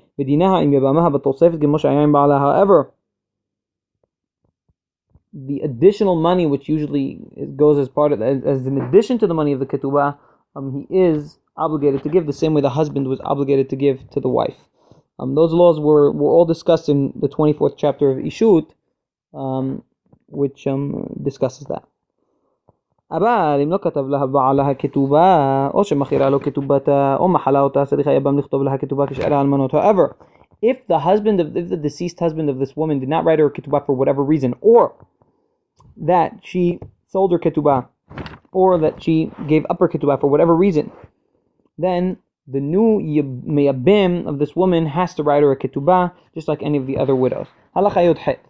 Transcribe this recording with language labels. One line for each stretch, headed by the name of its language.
English: However, the additional money, which usually goes as part of, as an addition to the money of the ketubah, he is obligated to give, the same way the husband was obligated to give to the wife. Those laws were all discussed in the 24th chapter of Ishut, which discusses that.
Hebrew: אבל אם לא כתב לה בעלה כתובה, או שמחירה לו כתובתה, או מחלה אותה, צריך היבם לכתוב לה כתובה כשאר האלמנות.
English: However, if the deceased husband of this woman did not write her כתובה for whatever reason, or that she sold her כתובה, or that she gave up her כתובה for whatever reason, then the new מייבם of this woman has to write her a כתובה, just like any of the other widows.
Hebrew: הלכה י"ח.